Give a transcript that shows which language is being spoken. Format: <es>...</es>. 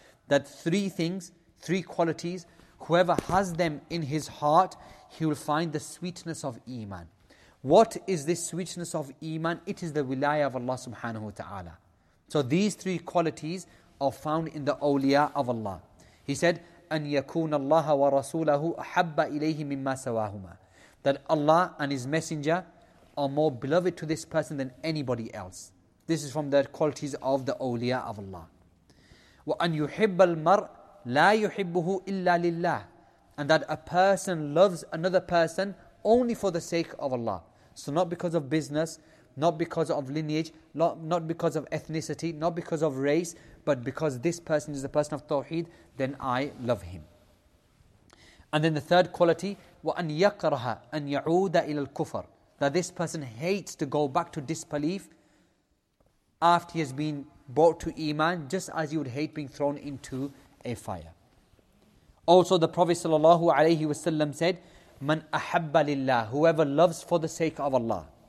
<en>That three things, three qualities, whoever has them in his heart, he will find the sweetness of iman. What is this sweetness of iman? It is the wilayah of Allah subhanahu wa ta'ala. So these three qualities are found in the awliya of Allah. He said,</en> <ar>أَنْ يَكُونَ اللَّهَ وَرَسُولَهُ أَحَبَّ إِلَيْهِ مِمَّا سَوَاهُمَا.</ar> <en>That Allah and His Messenger are more beloved to this person than anybody else. This is from the qualities of the awliya of Allah.</en> <ar>وَأَنْ يُحِبَّ الْمَرْءِ لَا يُحِبُّهُ إِلَّا لِلَّهِ.</ar> <en>And that a person loves another person only for the sake of Allah. So not because of business, not because of lineage, not because of ethnicity, not because of race, but because this person is a person of tawheed, then I love him. And then the third quality,</en> <ar>وَأَنْ يَقْرَهَ أَنْ يَعُودَ إِلَى الْكُفَرِ.</ar> <en>That this person hates to go back to disbelief after he has been brought to iman, just as you would hate being thrown into a fire. Also, the Prophet sallallahu alayhi wasallam said,</en> <ar>مَنْ أَحَبَّ لِلَّهِ,</ar> <en>whoever loves for the sake of Allah.</en>